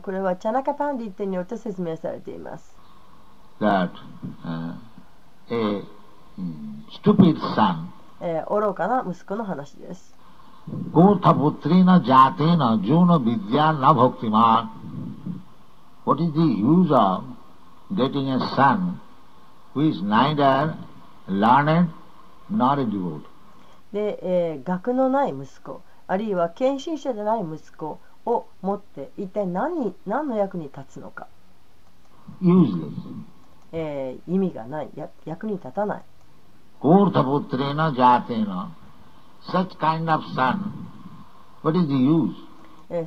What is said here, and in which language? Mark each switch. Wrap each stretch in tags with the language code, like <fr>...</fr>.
<ja>これはチャナカパンディッテによって説明されています。</ja> <en>That a stupid son</en> <ja>愚かな息子の話です。</ja> <sa>ゴータ・ブトリナ・ジャーティナ・ジューナ・ビディア・ナ・ボクティマー</sa> <en>What is the use of getting a son who is neither learned nor a devotee?</en> <ja>で、学のない息子、あるいは献身者でない息子を持って一体 何の役に立つのか。</ja> <en>Useless.</en> <ja>意味がない、役に立たない。</ja> <sa>コールタボトレーナジャーテーナ、</sa> <en>such kind of son, what is the use?</en>